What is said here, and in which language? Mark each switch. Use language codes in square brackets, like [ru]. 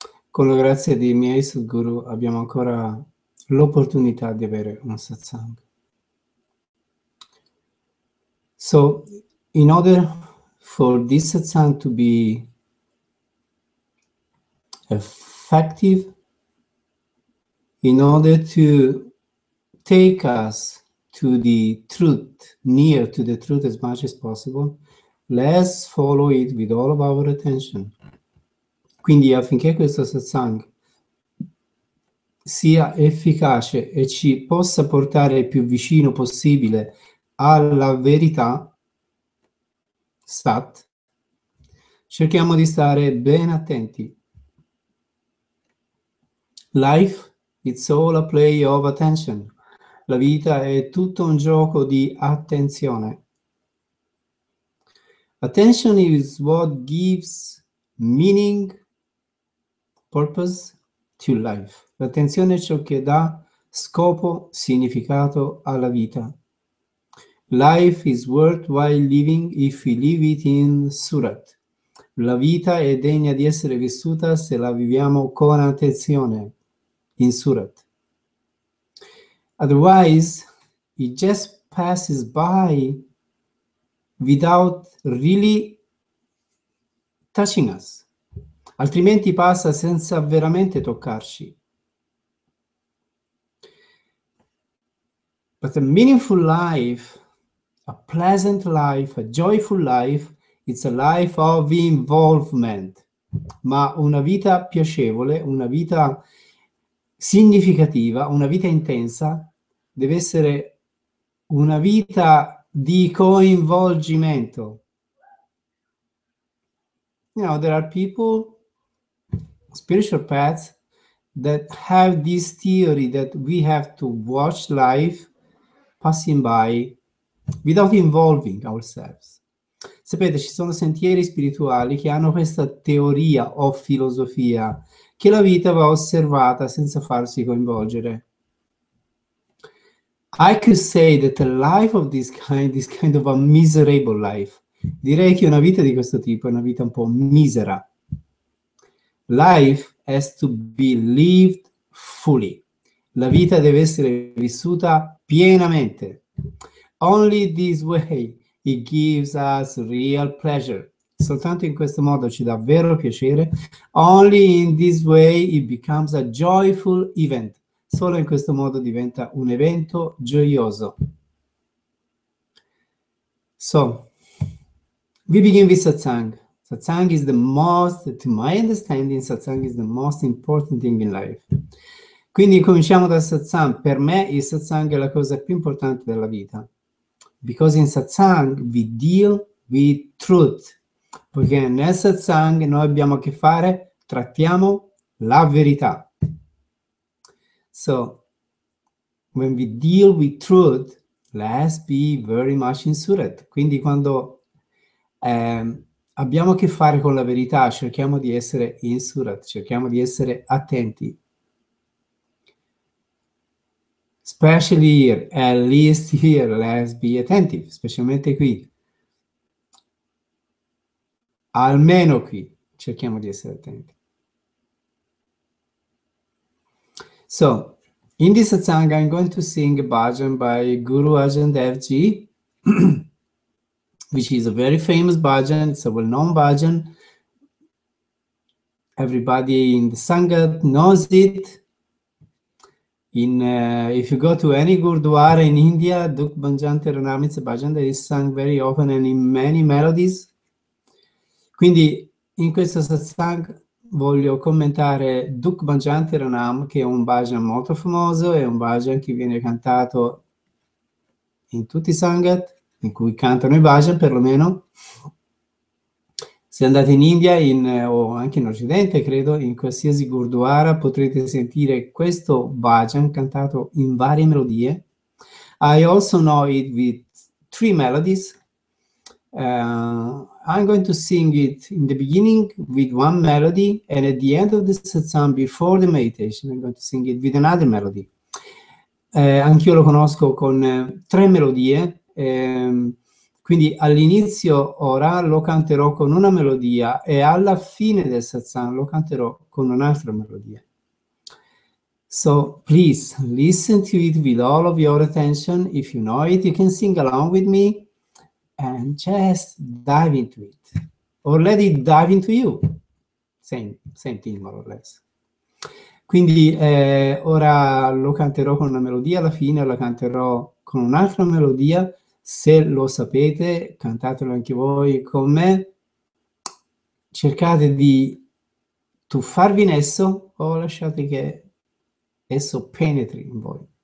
[it] Con la grazia dei miei Sadhguru abbiamo ancora l'opportunità di avere un satsang. [en] So, in order for this satsang to be effective, in order to take us to the truth, near to the truth as much as possible, let's follow it with all of our attention. [it] Quindi affinché questo satsang sia efficace e ci possa portare il più vicino possibile alla verità, Sat, cerchiamo di stare ben attenti. [en] Life, it's all a play of attention. [it] La vita è tutto un gioco di attenzione. [en] Attention is what gives meaning, purpose to life. [it] L'attenzione è ciò che dà scopo, significato alla vita. [en] Life is worthwhile living if we live it in Surat. [it] La vita è degna di essere vissuta se la viviamo con attenzione in Surat. [en] Otherwise, it just passes by without really touching us. [it] Altrimenti passa senza veramente toccarci. [en] But a meaningful life, a pleasant life, a joyful life, it's a life of involvement. [it] Ma una vita piacevole, una vita significativa, una vita intensa, deve essere una vita di coinvolgimento. [en] You know, there are people, spiritual paths, that have this theory that we have to watch life passing by without involving ourselves. [it] Sapete, ci sono sentieri spirituali che hanno questa teoria o filosofia che la vita va osservata senza farsi coinvolgere. [en] I could say that a life of this kind of a miserable life. [it] Direi che una vita di questo tipo è una vita un po' misera. [en] Life has to be lived fully. [it] La vita deve essere vissuta pienamente. [en] Only this way it gives us real pleasure. [it] Soltanto in questo modo ci dà vero piacere. [en] Only in this way it becomes a joyful event. [it] Solo in questo modo diventa un evento gioioso. [en] So, we begin with satsang. Satsang is the most, to my understanding, satsang is the most important thing in life. [it] Quindi cominciamo dal satsang. Per me il satsang è la cosa più importante della vita. [en] Because in satsang we deal with truth. [it] Poiché nel satsang noi abbiamo a che fare, trattiamo la verità. [en] So, when we deal with truth, let's be very much in Surat. [it] Quindi quando abbiamo a che fare con la verità, cerchiamo di essere in Surat, cerchiamo di essere attenti. [en] Especially here, at least here, let's be attentive, [it] specialmente qui. Almeno qui, cerchiamo di essere attenti. [en] So, in this satsang, I'm going to sing a bhajan by Guru Arjan Dev Ji, which is a very famous bhajan, it's a well-known bhajan. Everybody in the Sangha knows it. If you go to any Gurdwara in India, Duk Banjan Teranam, it's a bhajan that is sung very often and in many melodies. [it] Quindi in questo satsang voglio commentare Duk Banjan Teranam, che è un bhajan molto famoso, è un bhajan che viene cantato in tutti i sangat, in cui cantano i bhajan perlomeno. Se andate in India, o anche in Occidente, credo, in qualsiasi Gurdwara potrete sentire questo bhajan cantato in varie melodie. [en] I also know it with three melodies. I'm going to sing it in the beginning with one melody, and at the end of the satsang, before the meditation, I'm going to sing it with another melody. [it] Anch'io lo conosco con tre melodie. Quindi all'inizio ora lo canterò con una melodia e alla fine del satsang lo canterò con un'altra melodia. [en] So please listen to it with all of your attention. If you know it, you can sing along with me and just dive into it. Or let it dive into you. Same thing, more or less. [it] Quindi ora lo canterò con una melodia, alla fine lo canterò con un'altra melodia. Se lo sapete, cantatelo anche voi con me. Cercate di tuffarvi in esso o lasciate che esso penetri in voi.